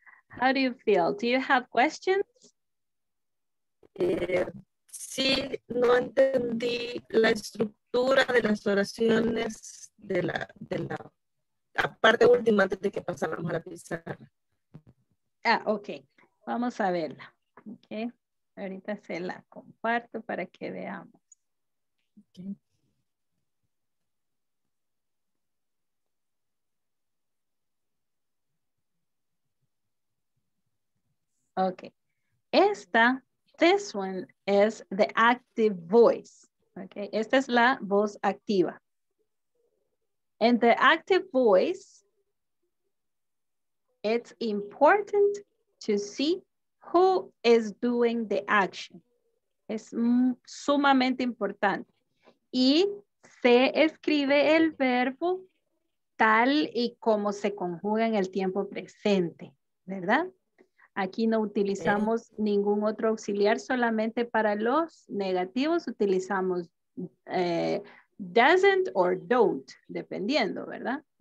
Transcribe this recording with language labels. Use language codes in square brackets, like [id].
[en] How do you feel? Do you have questions? Yes. [es] Sí, no entendí la estructura de las oraciones de la parte última antes de que pasáramos a la pizarra. Ah, ok. Vamos a verla. Ok. Ahorita se la comparto para que veamos. Ok. [en] Ok. Esta, this one is the active voice. Ok. [es] Esta es la voz activa. [en] And the active voice, it's important to see who is doing the action. [es] Es sumamente importante. Y se escribe el verbo tal y como se conjuga en el tiempo presente, ¿verdad? Aquí no utilizamos ningún otro auxiliar, solamente para los negativos utilizamos doesn't or don't, dependiendo, ¿verdad?